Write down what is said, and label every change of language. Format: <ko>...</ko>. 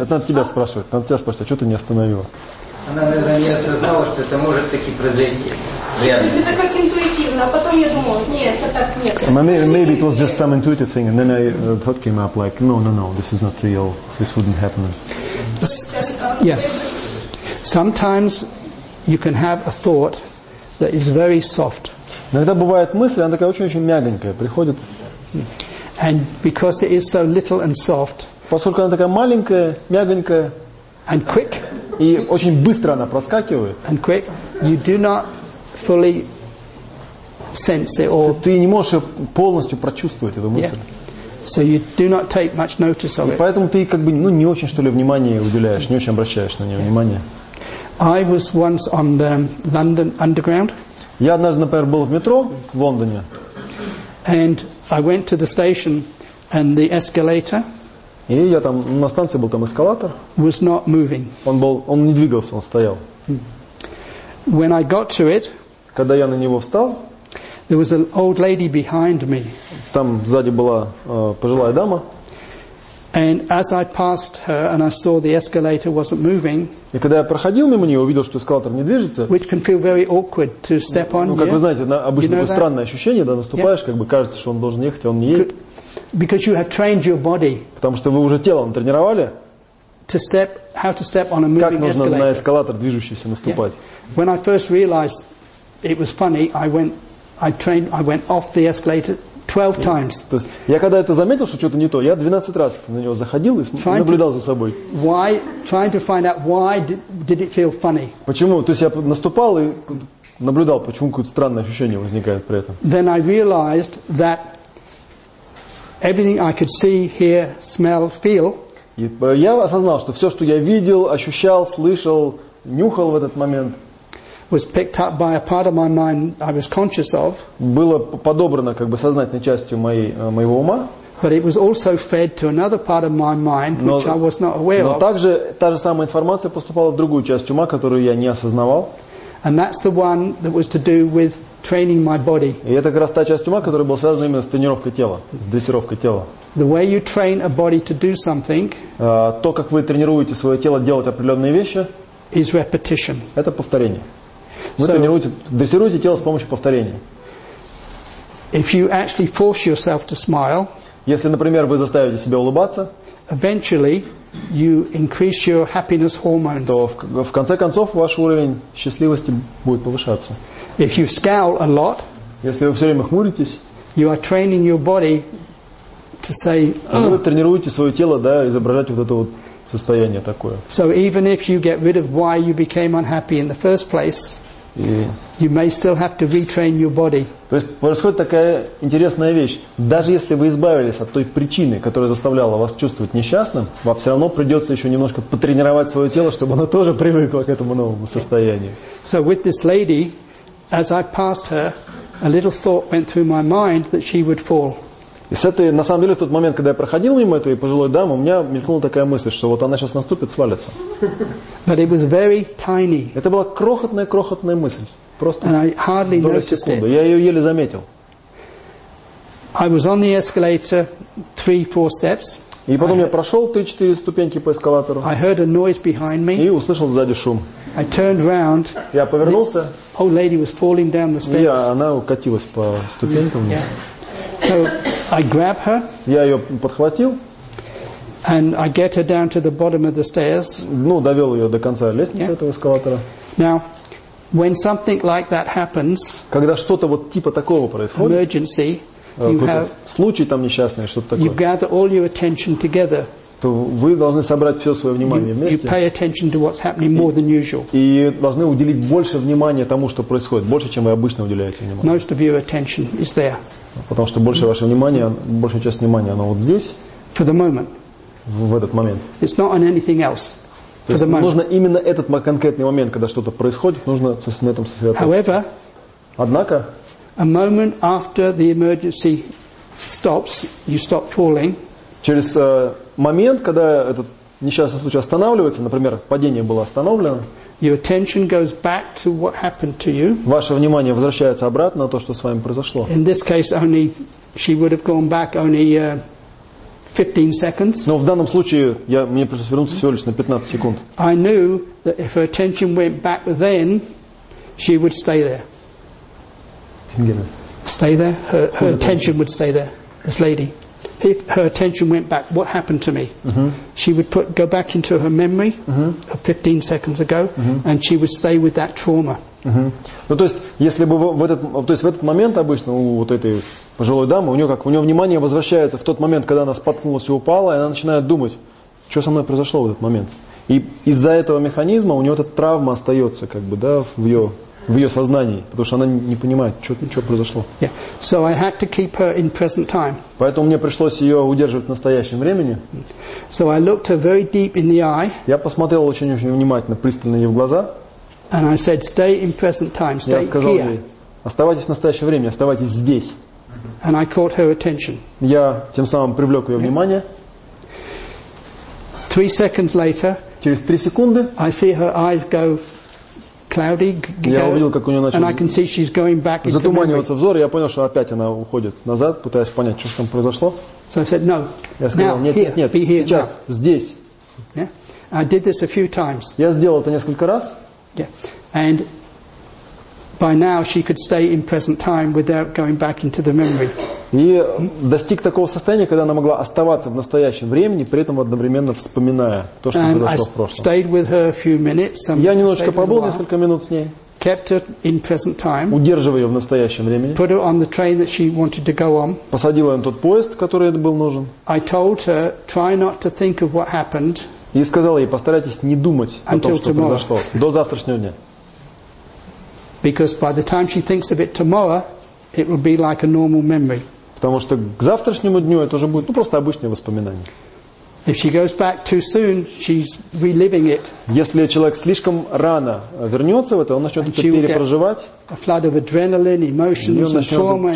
<ru>Это надо тебя спрашивать. Надо тебя спрашивать, а что ты не остановила? Она, наверное, не осознала, что это может таки произойти. То есть это как интуитивно, а потом я думала, нет, это так, нет.</ru> <en>Maybe it was just some intuitive thing, and then a thought came up like, no, this is not real, this wouldn't happen. Yeah. Sometimes you can have a thought that is very soft.</en> <ru>Иногда бывает мысль, она такая очень-очень мягенькая приходит.</ru> <en>And because it is so little and soft,</en> <ru>поскольку она такая маленькая, мягенькая,</ru> <en>and quick,</en> <ru>и очень быстро она проскакивает,</ru> <en>and quick, you do not fully sense it all.</en> <ru>Ты не можешь полностью прочувствовать эту мысль.</ru> <en>Yeah. So you do not take much notice of it.</en> <ru>Поэтому ты как бы не очень что ли внимание уделяешь, не очень обращаешь на нее внимание.</ru> <en>I was once on the London Underground.</en> <ru>Я однажды, например, был в метро в Лондоне.</ru> <en>And I went to the station, and the escalator.</en> <ru>И я там на станции был, там эскалатор.</ru> <en>Was not moving.</en> <ru>Он не двигался, он стоял.</ru> <en>When I got to it.</en> <ru>Когда я на него встал.</ru> <en>There was an old lady behind me.</en> <ru>Там сзади была пожилая дама.</ru> <en>And as I passed her and I saw the escalator wasn't moving.</en> <ru>И когда я проходил мимо нее, увидел, что эскалатор не движется.</ru> <en>Which can feel very awkward to step on.</en> <ru>Ну как вы знаете, обычно такое странное ощущение, да, наступаешь, как бы кажется, что он должен ехать, а он не едет.</ru> <en>Because you have trained your body.</en> <ru>Потому что вы уже тело натренировали.</ru> <en>To step, how to step on a moving escalator.</en> <ru>Как нужно на эскалатор движущийся наступать.</ru> <en>When I first realized it was funny, I went off the escalator 12 times.</en> <ru>То есть, я когда это заметил, что что-то не то, я 12 раз на него заходил и наблюдал за собой.</ru> <en>Why? Trying to find out why did it feel funny?</en> <ru>Почему? То есть я наступал и наблюдал, почему какое-то странное ощущение возникает при этом.</ru> <en>Then I realized that everything I could see, hear, smell, feel.</en> <ru>И я осознал, что все, что я видел, ощущал, слышал, нюхал в этот момент.</ru> <en>Was picked up by a part of my mind I was conscious of.</en> <ru>Было подобрано как бы сознательной частью моего ума.</ru> <en>But it was also fed to another part of my mind, which I was not aware of.</en> <ru>Но также та же самая информация поступала в другую часть ума, которую я не осознавал.</ru> <en>And that's the one that was to do with training my body.</en> <ru>И это как раз та часть ума, которая была связана именно с тренировкой тела, с дрессировкой тела.</ru> <en>The way you train a body to do something.</en> <ru>То, как вы тренируете свое тело делать определенные вещи.</ru> <en>is repetition.</en> <ru>Это повторение. Вы so, тренируете, дрессируете тело с помощью повторения.</ru> <en>If you actually force yourself to smile,</en> <ru>если, например, вы заставите себя улыбаться,</ru> <en>eventually you increase your happiness hormones.</en> <ru>То в конце концов ваш уровень счастливости будет повышаться.</ru> <en>If you scowl a lot,</en> <ru>если вы все время хмуритесь,</ru> <en>you are training your body to say,</en> <ru>вы тренируете свое тело, да, изображать вот это вот состояние такое.</ru> <en>So even if you get rid of why you became unhappy in the first place, you may still have to retrain your body.</en> <ru>То есть происходит такая интересная вещь. Даже если вы избавились от той причины, которая заставляла вас чувствовать несчастным, вам все равно придется еще немножко потренировать свое тело, чтобы оно тоже привыкло к этому новому состоянию.</ru> <en>So with this lady, as I passed her, a little thought went through my mind that she would fall.</en> <ru>И с этой, на самом деле, в тот момент, когда я проходил мимо этой пожилой дамы, у меня мелькнула такая мысль, что вот она сейчас наступит, свалится.</ru> <en>But it was very tiny.</en> <ru>Это была крохотная-крохотная мысль. Просто</ru> <en>and I hardly</en> <ru>доля секунды. Я ее еле заметил.</ru> <en>I was on the escalator 3-4 steps.</en> <ru>И потом я прошел 3-4 ступеньки по эскалатору.</ru> <en>I heard a noise behind me.</en> <ru>И услышал сзади шум.</ru> <en>I turned round.</en> <ru>Я повернулся.</ru> <en>The old lady was falling down the steps.</en> <ru>И она укатилась по ступенькам вниз.</ru> <en>Yeah. So, I grab her.</en> <ru>Я ее подхватил.</ru> <en>And I get her down to the bottom of the stairs.</en> <ru>Ну, довел ее до конца лестницы yeah. этого эскалатора.</ru> <en>Now, when something like that happens,</en> <ru>когда что-то вот типа такого происходит,</ru> <en>emergency, you have</en> <ru>случай там несчастный, что-то такое.</ru> <en>You gather all your attention together.</en> <ru>То вы должны собрать все свое внимание вместе.</ru> <en>You pay attention to what's happening more than usual.</en> <ru>И должны уделить больше внимания тому, что происходит, больше, чем вы обычно уделяете внимание.</ru> <en>Most of your attention is there.</en> <ru>Потому что больше ваше внимание, большая часть внимания, оно вот здесь.</ru> <en>For the moment.</en> <ru>В этот момент.</ru> <en>It's not on anything else.</en> <ru>То есть нужно именно этот конкретный момент, когда что-то происходит, нужно на этом сосредоточиться.</ru> <en>However,</en> <ru>однако,</ru> <en>a moment after the emergency stops, you stop falling.</en> <ru>Через момент, когда этот несчастный случай останавливается, например, падение было остановлено,</ru> <en>your attention goes back to what happened to you.</en> <ru>Ваше внимание возвращается обратно на то, что с вами произошло.</ru> <en>In this case, only she would have gone back only 15 seconds.</en> <ru>Но в данном случае мне пришлось вернуться всего лишь на 15 секунд.</ru> <en>I knew that if her attention went back then, she would stay there. Stay there. Her attention would stay there. This lady. If her attention went back, what happened to me? Mm-hmm. She would go back into her memory of 15 seconds ago, mm-hmm. and she would stay with that trauma.</en> <ru>Mm-hmm. Ну, то есть, если бы в этот момент обычно у вот этой пожилой дамы, у нее внимание возвращается в тот момент, когда она споткнулась и упала, и она начинает думать, что со мной произошло в этот момент. И из-за этого механизма у нее эта травма остается, как бы, да, в ее сознании, потому что она не понимает, что произошло.</ru> <en>Yeah. So I had to keep her in present time.</en> <ru>Поэтому мне пришлось ее удерживать в настоящем времени.</ru> <en>So I looked her very deep in the eye.</en> <ru>Я посмотрел очень-очень внимательно, пристально ей в глаза.</ru> <en>And I said, stay in present time, stay here.</en> <ru>Я сказал ей, оставайтесь в настоящем времени, оставайтесь здесь.</ru> <en>And I caught her attention.</en> <ru>Я тем самым привлек ее внимание.</ru> <en>3 seconds later,</en> <ru>через 3 секунды,</ru> <en>I see her eyes go cloudy.</en> <ru>Я увидел, как у нее начало.</ru> <en>And I can see she's going back.</en> <ru>Затуманивается взор, и я понял, что опять она уходит назад, пытаясь понять, что там произошло.</ru> <en>So I said, no.</en> <ru>Я сказал, нет,</ru> <en>be here,</en> <ru>сейчас,</ru> <en>now.</en> <ru>Здесь.</ru> <en>Yeah. I did this a few times.</en> <ru>Я сделал это несколько раз.</ru> <en>Yeah. And by now she could stay in present time without going back into the memory.</en> <ru>И достиг такого состояния, когда она могла оставаться в настоящем времени, при этом одновременно вспоминая то, что</ru> <en>and</en> <ru>произошло в прошлом.</ru> <en>Stayed with her a few minutes, some</en> <ru>я немножко побыл несколько минут с ней.</ru> <en>Kept her in present time.</en> <ru>Удерживая ее в настоящем времени.</ru> <en>Put her on the train that she wanted to go on.</en> <ru>Посадила ее на тот поезд, который ей был нужен.</ru> <en>I told her, try not to think of what happened.</en> <ru>И сказал ей, постарайтесь не думать о том, что произошло до завтрашнего дня.</ru> <en>Because by the time she thinks of it tomorrow, it will be like a normal memory.</en> <ru>Потому что к завтрашнему дню это уже будет просто обычное воспоминание.</ru> <en>If she goes back too soon, she's reliving it.</en> <ru>Если человек слишком рано вернется в это, он начнет это перепроживать.</ru> <en>A flood of adrenaline, emotions, and trauma, and she'll be</en>